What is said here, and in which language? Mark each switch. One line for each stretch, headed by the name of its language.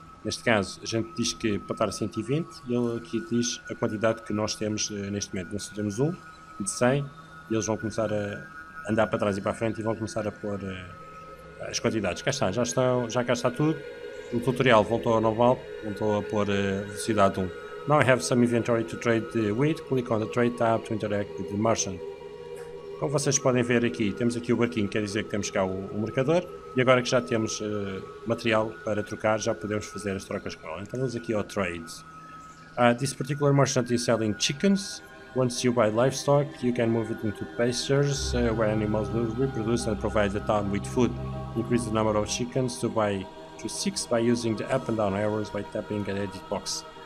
Portuguese: Neste caso, a gente diz que para estar a 120, e ele aqui diz a quantidade que nós temos neste momento. Nós temos um de 100, e eles vão começar a andar para trás e para a frente e vão começar a pôr as quantidades. Cá está, já estão, já cá está tudo. O tutorial voltou ao normal, voltou a pôr velocidade 1.
English: Now I have some inventory to trade with. Click on the trade tab to interact with the merchant.
Portuguese: Como vocês podem ver aqui, temos aqui o barquinho, quer dizer que temos cá o mercador. E agora que já temos material para trocar, já podemos fazer as trocas com ela. Então vamos aqui ao trades.
English: This particular merchant is selling chickens. Once you buy livestock, you can move it into pastures, where animals will reproduce and provide the town with food. Increase the number of chickens to buy to 6 by using the up and down arrows by tapping the edit box.